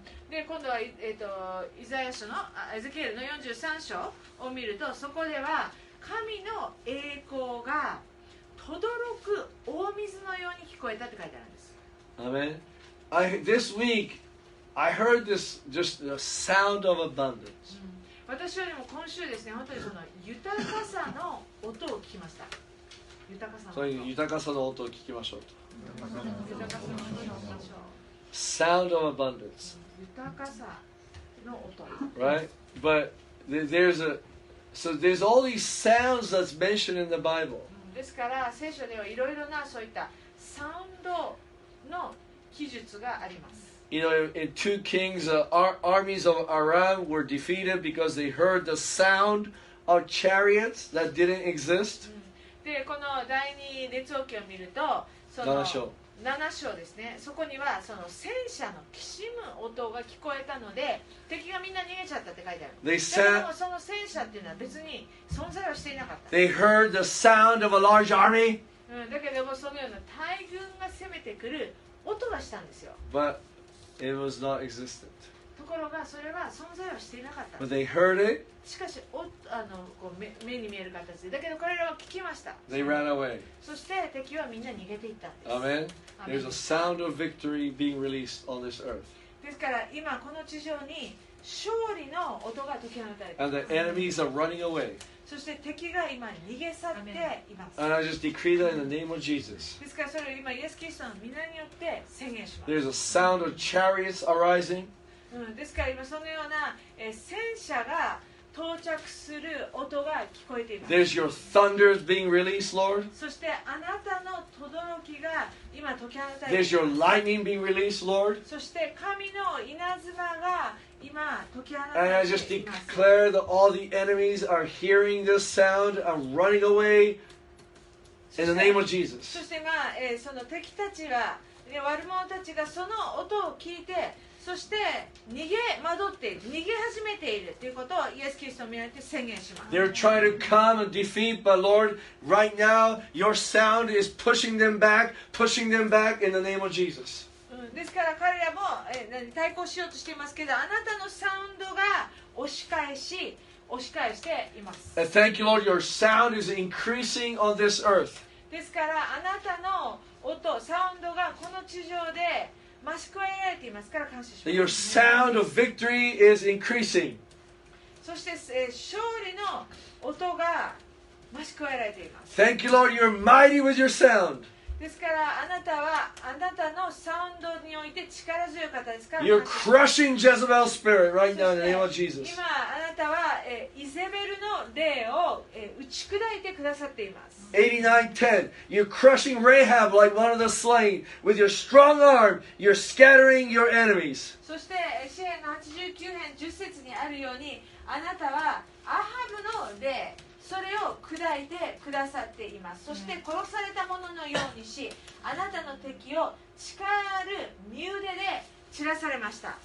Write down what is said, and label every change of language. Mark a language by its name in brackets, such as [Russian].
[Japanese] で今度は、イザヤ書のエゼキエルの43章を見るとそこでは神の栄光がとどろく大水のように聞こえたって書いてあるんです。 [English] Amen. This week, I heard this just the sound of abundance. [Japanese] 私よりも今週ですね、本当にその豊かさの音を聞きました。豊かさの音を聞きましょうと。豊かさの音を聞きましょう。 [English] Sound of abundance. [Japanese] 豊かさの音。 [English] Right? But there's a... So there's all these sounds that's mentioned in the Bible. [Japanese] ですから聖書にはいろいろなそういったサウンドの記述があります。 [English] You know, in two kings, armies of Aram were defeated because they heard the sound of chariots that didn't exist. [Japanese] で、この第二列王記を見ると、その7章ですね。そこにはその戦車のきしむ音が聞こえたので、敵がみんな逃げちゃったって書いてある。 [English] They sat, [Japanese] でもその戦車っていうのは別に存在はしていなかった。 [English] They heard the sound of a large army. [Japanese] うん、だけどもそのような大軍が攻めてくる音がしたんですよ。 [English] But it was not existent. [Japanese] ところがそれは存在はしていなかった。 [English] But they heard it. [Japanese] しかしあのこう 目に見える形で、だけど彼らは聞きました。 [English] They ran away. [Japanese] そして敵はみんな逃げていったんです。 [English] Amen. There's a sound of victory being released on this earth. [Japanese] ですから今この地上に勝利の音が解き放たれています [English] 。 And the enemies are running away. [Japanese] そして敵が今逃げ去っています。 [English] And I just decree that in the name of Jesus. [Japanese] ですからそれを今イエス・キリストの皆によって宣言します。 [English] There's a sound of chariots arising. [Japanese] ですから今そのような戦車が到着する音が聞こえています。 [English] There's your thunder being released, Lord. [Japanese] そしてあなたのとどろきが今解き放たれています。 [English] There's your lightning being released, Lord. [Japanese] そして神の稲妻が今解き放たれています。 [English] And I just declare that all the enemies are hearing this sound and running away in the name of Jesus. [Japanese] そして、その敵たちが、悪者たちがその音を聞いて、そして逃げ惑っている、逃げ始めているということをイエス・キリストの御名で宣言します。 [English] They're trying to come and defeat, but Lord, right now, your sound is pushing them back in the name of Jesus.、 [Japanese] ですから彼らも対抗しようとしていますけど、あなたのサウンドが押し返しています。 [English] Thank you, Lord, your sound is increasing on this earth. [Japanese] ですからあなたの音、サウンドがこの地上で増し加えられていますから感謝します。 [English] Your sound of victory is increasing. [Japanese] そして、勝利の音が増し加えられています。 [English] Thank you, Lord. You're mighty with your sound. [Japanese] ですからあなたはあなたのサウンドにおいて力強い方ですから。 [English] You're crushing Jezebel's spirit right now in the name of Jesus. [Japanese] 今あなたは、イゼベルの霊を、打ち砕いてくださっています。 [English] 89:10 You're crushing Rahab like one of the slain. With your strong arm, you're scattering your enemies. [Japanese] そして詩篇の89編10節にあるように、あなたはアハブの霊、それを砕いてくださっています。そして殺された者のようにし、あなたの敵を力ある身腕で散らされました。